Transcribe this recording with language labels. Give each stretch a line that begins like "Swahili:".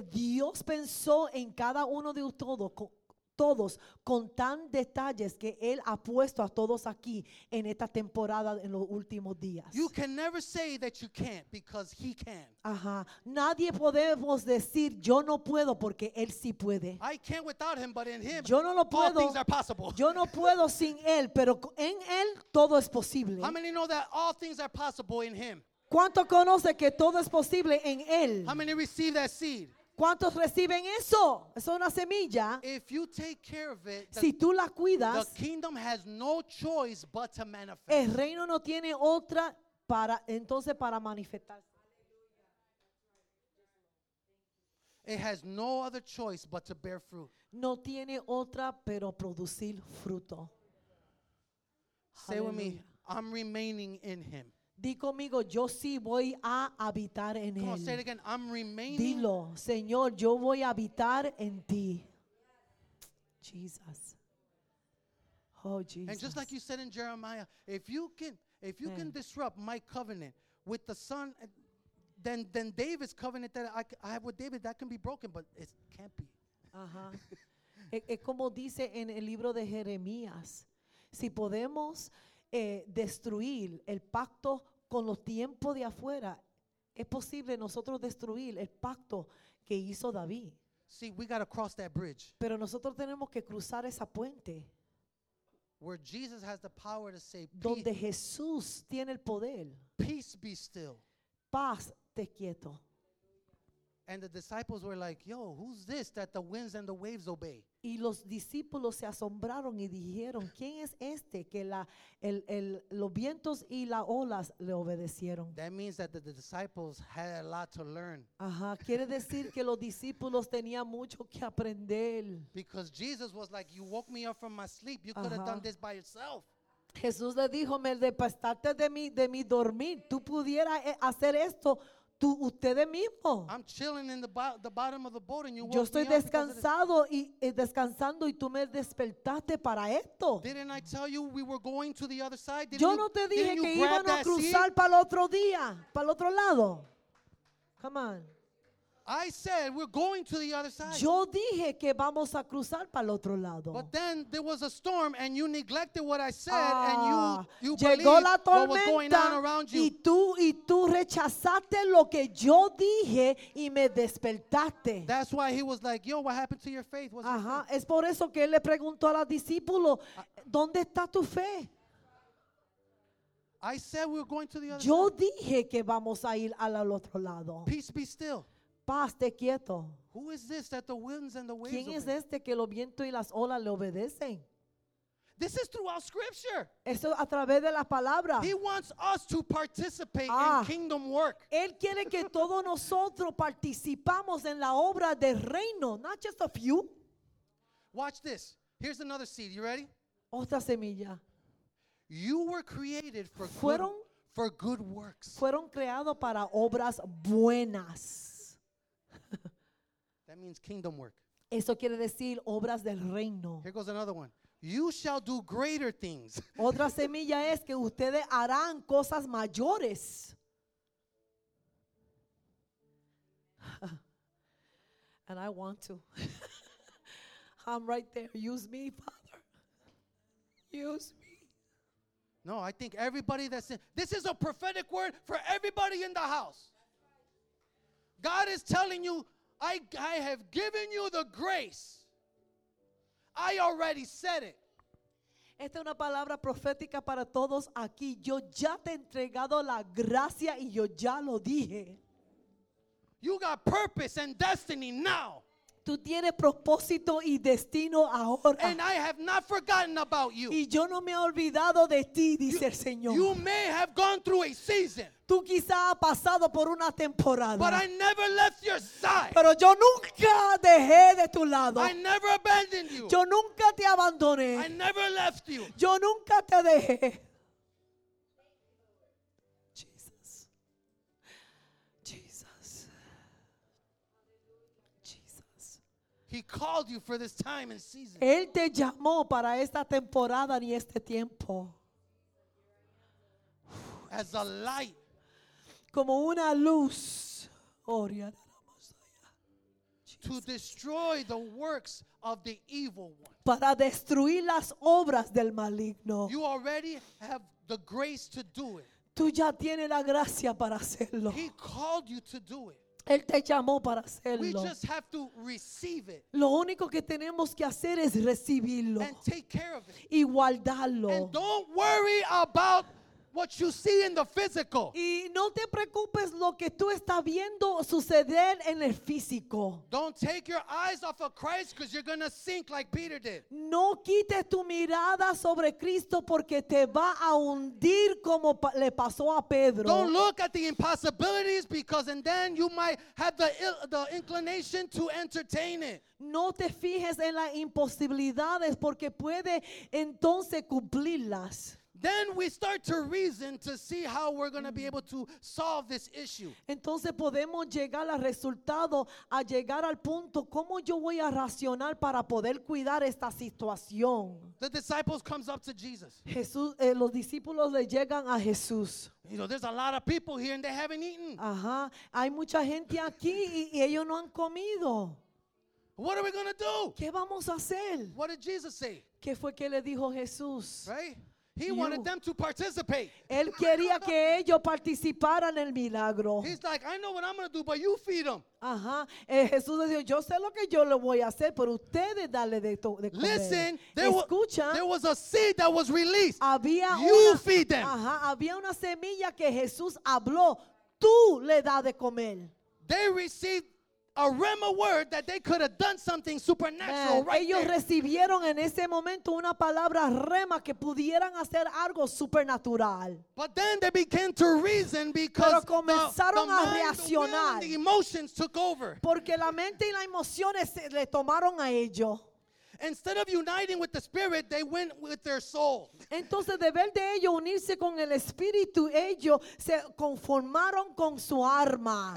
Spanish: Dios pensó en cada uno de ustedes todos con tan detalles que él ha puesto a todos aquí en esta temporada en los últimos días.
English: You can never say that you can't because he can. Ajá.
Spanish: Nadie podemos decir yo no puedo porque él sí puede.
English: I can't without him, but in him
Spanish: yo no lo puedo,
English: all things are possible.
Spanish: Yo no puedo sin él, pero en él todo es posible.
English: How many know that all things are possible in him?
Spanish: ¿Cuánto conoce que todo es posible en él?
English: How many receive that seed?
Spanish: ¿Cuántos reciben eso? Eso es una semilla.
English: If you take care of it,
Spanish: si tú la cuidas,
English: the kingdom has no choice but to manifest.
Spanish: El reino no tiene otra para entonces para manifestar.
English: It has no other choice but to bear fruit.
Spanish: No tiene otra pero producir fruto.
English: Say with me, I'm remaining in him.
Spanish: Di conmigo, yo sí voy a habitar en
English: Come on,
Spanish: él.
English: Say it again. I'm remaining.
Spanish: Dilo, Señor, yo voy a habitar en ti.
English: Jesus. Oh, Jesus. And just like you said in Jeremiah, if you can disrupt my covenant with the son, then David's covenant that I have with David, that can be broken, but it can't be. Uh-huh.
Spanish: Es como dice en el libro de Jeremías, si podemos destruir el pacto con los tiempos de afuera, es posible nosotros destruir el pacto que hizo David.
English: See, we gotta cross that bridge.
Spanish: Pero nosotros tenemos que cruzar esa puente.
English: Where Jesus has the power to say,
Spanish: donde Jesús tiene el poder.
English: Peace be still.
Spanish: Paz, te quieto.
English: And the disciples were like, yo, who's this that the winds and the waves obey?
Spanish: Y los discípulos se asombraron y dijeron, ¿quién es este que los vientos y las olas le obedecieron?
English: That means that the disciples had a lot to learn.
Spanish: Ajá, quiere decir que los discípulos tenían mucho que aprender.
English: Because Jesus was like, you woke me up from my sleep. You could have done this by yourself.
Spanish: Jesús le dijo, me despertaste de mi dormir. Tú pudieras hacer esto. Tú, ustedes mismos.
English: I'm chilling in the bottom of the boat and you woke me up.
Spanish: Yo estoy descansado y descansando y tú me despertaste para esto.
English: Didn't I tell you we were going to the other side?
Spanish: Yo no te dije que íbamos a cruzar para el otro día, para el otro lado.
English: Come on. I said we're going to the other side.
Spanish: Yo dije que vamos a cruzar para el otro lado.
English: But then there was a storm and you neglected what I said and you
Spanish: llegó
English: believed
Spanish: la tormenta,
English: what was going on around you.
Spanish: Y tú rechazaste lo que yo dije y me despertaste.
English: That's why he was like, yo, what happened to your faith?
Spanish: Es por eso que él le preguntó a los discípulos, ¿dónde está tu fe?
English: I said we're going to the other
Spanish: yo
English: side.
Spanish: Yo dije que vamos a ir al otro lado.
English: Peace be still.
Spanish: Paz, te quieto.
English: Who is this that the winds and the waves
Spanish: ¿Quién es este que los vientos y las olas le obedecen?
English: This is throughout scripture.
Spanish: Eso a través de la palabra.
English: He wants us to participate in kingdom work.
Spanish: Él quiere que todos nosotros participamos en la obra del reino,
English: not just a few. Watch this. Here's another seed. You ready?
Spanish: Otra semilla.
English: You were created for good works.
Spanish: Fueron creados para obras buenas.
English: That means kingdom work.
Spanish: Eso quiere decir obras del reino.
English: Here goes another one. You shall do greater things.
Spanish: Otra semilla es que ustedes harán cosas mayores.
English: And I want to. I'm right there. Use me, Father. Use me. No, I think everybody that's in. This is a prophetic word for everybody in the house. God is telling you, I have given you the grace. I already said it.
Spanish: Esta es una palabra profética para todos aquí. Yo ya te he entregado la gracia y yo ya lo dije.
English: You got purpose and destiny now.
Spanish: Tú tienes propósito y destino ahora.
English: And I have not forgotten about you.
Spanish: Y yo no me he olvidado de ti, dice el Señor.
English: You may have gone through a season.
Spanish: Tú quizás has pasado por una temporada.
English: But I never left your side.
Spanish: Pero yo nunca dejé de tu lado.
English: I never abandoned you.
Spanish: Yo nunca te abandoné.
English: I never left you.
Spanish: Yo nunca te dejé.
English: Jesus. Jesus. Jesus. He called you for this time and season.
Spanish: Él te llamó para esta temporada y este tiempo.
English: As a light.
Spanish: Como una luz. Jesus.
English: To destroy the works of the evil one.
Spanish: Para destruir las obras del maligno.
English: You already have the grace to do it.
Spanish: Tú ya tienes la gracia para hacerlo.
English: He called you to do it.
Spanish: Él te llamó para hacerlo.
English: We just have to receive it.
Spanish: Lo único que tenemos que hacer es recibirlo.
English: And take care of it.
Spanish: Y guardarlo.
English: And don't worry about what you see in the physical.
Spanish: Y no te preocupes lo que tú estás viendo suceder en el físico.
English: Don't take your eyes off of Christ because you're going to sink like Peter did.
Spanish: No quites tu mirada sobre Cristo porque te va a hundir como le pasó a Pedro.
English: Don't look at the impossibilities because then you might have the inclination to entertain it.
Spanish: No te fijes en las imposibilidades porque puede entonces cumplirlas.
English: Then we start to reason to see how we're going to be able to solve this issue.
Spanish: Entonces podemos llegar al resultado, a llegar al punto, ¿cómo yo voy a racionar para poder cuidar esta situación?
English: The disciples comes up to Jesus.
Spanish: Jesús, los discípulos le llegan a Jesús.
English: You know, there's a lot of people here and they haven't eaten.
Spanish: Ajá, hay mucha gente aquí y ellos no han comido.
English: What are we going to do?
Spanish: ¿Qué vamos a hacer?
English: What did Jesus say?
Spanish: ¿Qué fue que le dijo Jesús?
English: Right? He wanted them to participate.
Spanish: Él quería que ellos participaran el milagro.
English: He's like, I know what I'm going to do, but you feed them. Ajá.
Spanish: Jesús dijo, yo sé lo que yo le voy a hacer, pero ustedes dale de comer.
English: Listen, there was a seed that was released.
Spanish: Había
English: you
Spanish: una,
English: feed them. Ajá.
Spanish: Había una semilla que Jesús habló, tú le das de comer.
English: They received a rhema word that they could have done something supernatural. Man, right
Spanish: ellos
English: there.
Spanish: Ellos recibieron en ese momento una palabra rhema que pudieran hacer algo supernatural.
English: But then they began to reason because
Spanish: pero comenzaron
English: the
Spanish: a reaccionar.
English: The emotions took over.
Spanish: Porque la mente y las emociones le tomaron a ellos.
English: Instead of uniting with the spirit, they went with their soul.
Spanish: Entonces de ver de ellos unirse con el espíritu, ellos se conformaron con su alma.